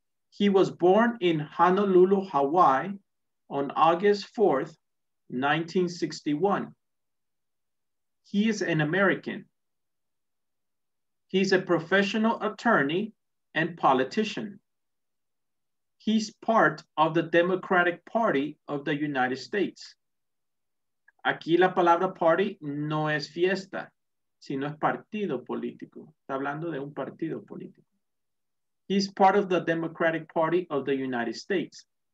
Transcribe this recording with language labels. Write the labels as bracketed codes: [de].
[en] He was born in Honolulu, Hawaii on August 4th, 1961. He is an American. He's a professional attorney and politician. He's part of the Democratic Party of the United States. [es] Aquí la palabra party no es fiesta, sino es partido político. Está hablando de un partido político. [en] He's part of the Democratic Party of the United States.